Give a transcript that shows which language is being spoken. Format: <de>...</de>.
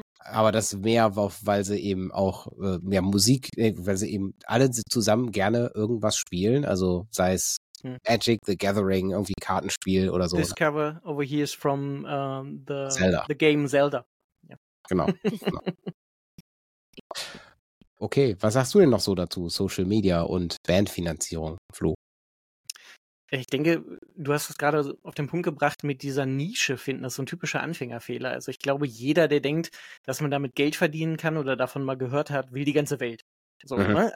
<de>Aber das mehr, weil sie eben auch mehr Musik, weil sie eben alle zusammen gerne irgendwas spielen. Also sei es Magic, The Gathering, irgendwie Kartenspiel oder so.</de> <en>This cover over here is from the game Zelda.</en> <de>Yeah. Genau. Okay, was sagst du denn noch so dazu, Social Media und Bandfinanzierung, Flo? Ich denke, du hast es gerade auf den Punkt gebracht mit dieser Nische finden. Das ist so ein typischer Anfängerfehler. Also ich glaube, jeder, der denkt, dass man damit Geld verdienen kann oder davon mal gehört hat, will die ganze Welt. So, mhm. ne?</de>